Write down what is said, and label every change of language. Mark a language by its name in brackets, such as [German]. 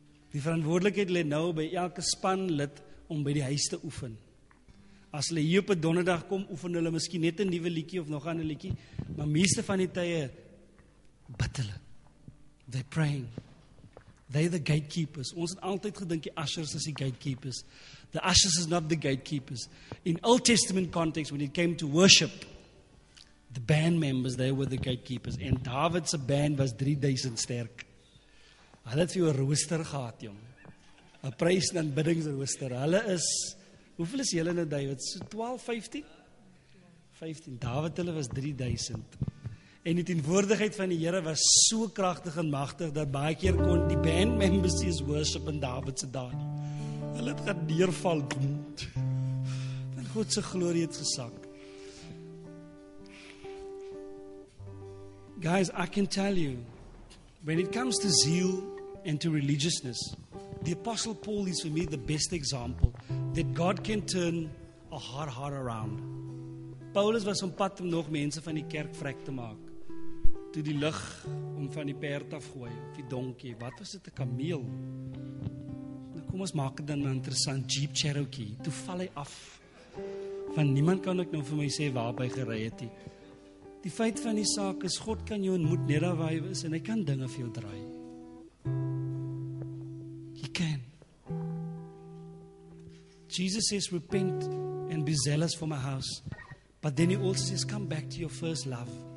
[Afrikaans] Die verantwoordelikheid lê nou by elke spanlid om by die huis te oefen. As hulle hier op 'n donderdag kom, oefen hulle miskien net 'n nuwe liedjie of nog 'n liedjie, maar meeste van die tye bid hulle. [English] They praying. They the gatekeepers. [Afrikaans] Ons het altyd gedink die ushers is die gatekeepers. [English] The ushers is not the gatekeepers. In Old Testament context when it came to worship, the band members, they were the gatekeepers. And David's band was 3000 sterk. [Afrikaans] Hulle het vir jou rooster gehad, jong. 'N Prys en aanbiddings rooster. Hulle is, hoeveel is julle nou, David? So 12, 15? 15. David, hulle was 3000. En die teenwoordigheid van die Here was so kragtig en magtig, dat baie keer kon die band members is worship in David se daad. Hulle het gaan neerval. Van God se glorie het gesak. [English] Guys, I can tell you, when it comes to zeal and to religiousness, the Apostle Paul is for me the best example that God can turn a hard heart around. [Afrikaans] Paulus was op pad om nog mense van die kerk vrek te maak. Toe die lig om van die perd afgooi, of die donkie, wat was dit, 'n kameel? Nou kom ons maak dit dan interessant, Jeep Cherokee. Toe val hy af, want niemand kan ook nou vir my sê waarby gery het hy. Die feit van die saak is, God kan jou ontmoet net daar waar jy is, en hy kan dinge vir jou draai. [English] He can. Jesus says, repent and be zealous for my house. But then he also says, come back to your first love.